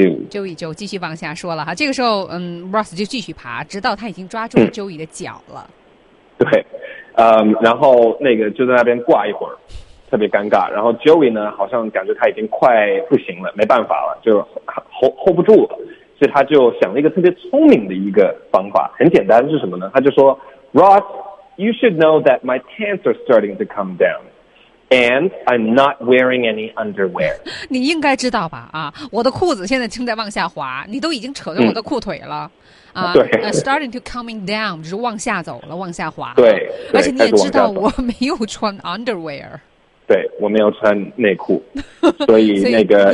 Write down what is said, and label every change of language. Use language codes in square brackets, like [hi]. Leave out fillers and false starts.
[zh] 周易就继续往下说了哈。这个时候，Ross 就继续爬，直到他已经抓住了周易的脚了。对。然后那个就在那边挂一会儿，特别尴尬。然后 Joey 呢，好像感觉他已经快不行了，没办法了，就 hold 不住了。所以他就想了一个特别聪明的一个方法，很简单，是什么呢？他就说 [en] ，Ross， you should know that my pants are starting to come down， and I'm not wearing any underwear。 [zh] 你应该知道吧？啊，我的裤子现在正在往下滑，你都已经扯着我的裤腿了。 [en] starting to coming down [zh] 就是往下走了，往下滑。对，而且你也知道我没有穿 underwear。对，我没有穿内裤，所以那个